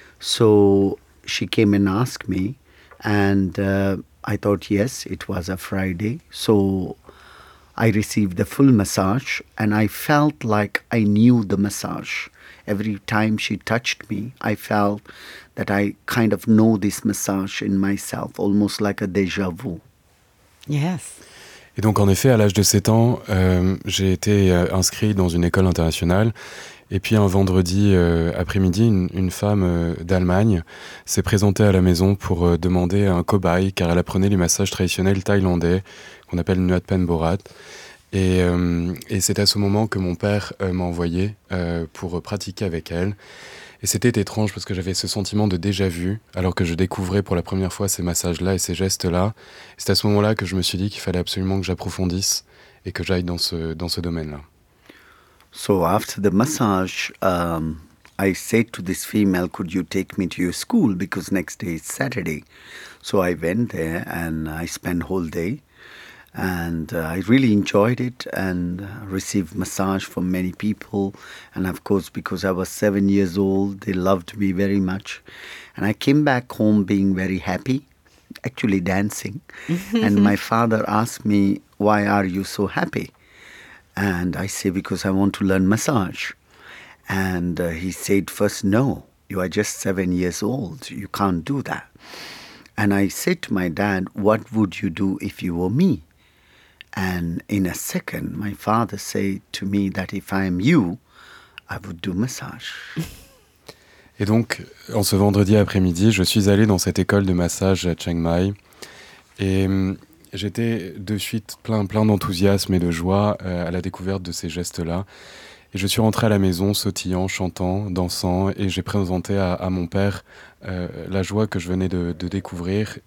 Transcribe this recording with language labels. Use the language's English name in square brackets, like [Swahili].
[English] So she came and asked me. And I thought, yes, it was a Friday. So I received the full massage. And I felt like I knew the massage. Every time she touched me, I felt that I kind of know this massage in myself, almost like a déjà vu. Yes. [French] Et donc, en effet, à l'âge de 7 ans, j'ai été inscrit dans une école internationale. Et puis, un vendredi après-midi, une femme d'Allemagne s'est présentée à la maison pour demander un cobaye, car elle apprenait les massages traditionnels thaïlandais, qu'on appelle Nuat Pen Borat. Et c'est à ce moment que mon père m'a envoyé pour pratiquer avec elle. Et c'était étrange parce que j'avais ce sentiment de déjà-vu alors que je découvrais pour la première fois ces massages-là et ces gestes-là. C'est à ce moment-là que je me suis dit qu'il fallait absolument que j'approfondisse et que j'aille dans ce domaine-là. [English] So after the massage, I said to this female, could you take me to your school because next day is Saturday. So I went there and I spent whole day. And I really enjoyed it and received massage from many people. And of course, because I was 7 years old, they loved me very much. And I came back home being very happy, actually dancing. And my father asked me, why are you so happy? And I say, because I want to learn massage. And he said, first, no, you are just 7 years old. You can't do that. And I said to my dad, what would you do if you were me? And in a second, my father said to me that if I am you, I would do massage. [French] Et donc, en ce vendredi après-midi, je suis allé dans cette école de massage à Chiang Mai. Et j'étais de suite plein d'enthousiasme et de joie à la découverte de ces gestes-là. Et je suis rentré à la maison, sautillant, chantant, dansant. Et j'ai présenté à mon père la joie que je venais de découvrir.